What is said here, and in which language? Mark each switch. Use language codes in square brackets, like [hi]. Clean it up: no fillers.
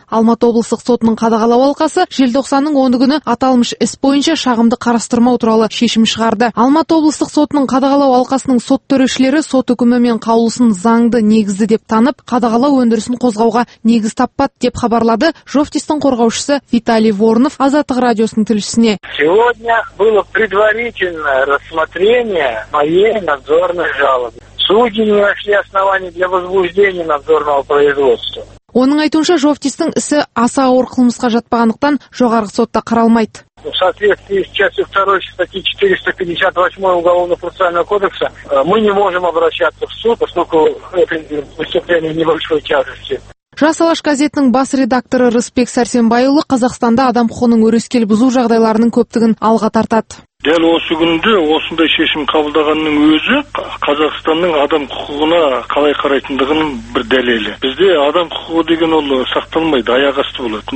[kk] Алматы облыстық сотының қадағалау алқасы желтоқсанның 10 күні аталмыш іс бойынша шағымды қарастырмау туралы шешім шығарды. Алматы облыстық сотының қадағалау алқасының сот төрешілері сот үкімімен қаулысын заңды негізді деп танып, қадағалау өндірісін қозғауға негіз таппады деп хабарлады Жовтистің қорғаушысы Виталий Воронов Азаттық радиосының тілшісіне. [ru] Сегодня было предварительное рассмотрение моей надзорной жалобы. Судьи не нашли оснований для возбуждения надзорного производства. [kk] Оның айтуынша Жовтистің ісі аса ауыр қылмысқа жатпағандықтан жоғарғы сотта қаралмайды. [ru] В соответствии с частью 2 статьи 458 Уголовно-процессуального кодекса мы не можем обращаться в суд, поскольку это преступление небольшой тяжести. [kk] Жас Алаш газетінің бас редакторы Рысбек Сәрсенбайұлы Қазақстанда адам құқының өрескел бұзу жағдайларының көптігін алға тартады. Дәл осы күнде осындай шешім қабылдағанның өзі Қазақстанның адам құқығына қалай қарайтындығының бір дәлелі. Бізде адам құқығы деген ол сақталмайды, аяқ асты болады.